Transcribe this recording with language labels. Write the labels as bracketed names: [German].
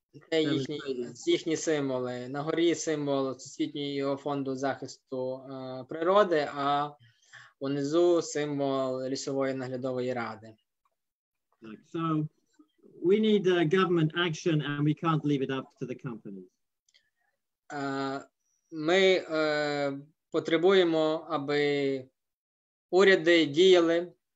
[Ukrainian] Це їхні символи. На горі символ Всесвітнього фонду захисту природи, а унизу символ лісової наглядової ради. [English] So we need a government action and we can't leave it up to the companies. [Ukrainian] Ми потребуємо, аби уряди діяли.